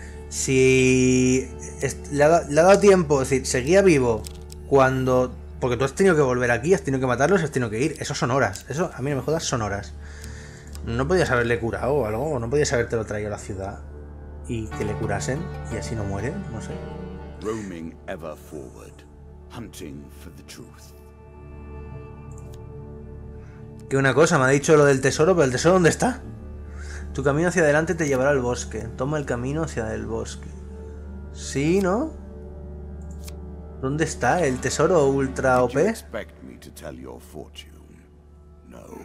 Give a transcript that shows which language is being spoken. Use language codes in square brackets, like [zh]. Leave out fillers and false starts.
[es] Si le ha dado tiempo, es decir, seguía vivo cuando... Porque tú has tenido que volver aquí, has tenido que matarlos, has tenido que ir. Eso son horas. Eso, a mí no me jodas, son horas. No podías haberle curado o algo, no podías habértelo traído a la ciudad y que le curasen y así no muere, no sé. [en] Roaming ever forward, hunting for the truth. [es] Que una cosa, me ha dicho lo del tesoro, pero ¿el tesoro dónde está? Tu camino hacia adelante te llevará al bosque. Toma el camino hacia el bosque. ¿Sí, no? ¿Dónde está el tesoro ultra OP? ¿Te esperas que te cuente tu fortuna? No.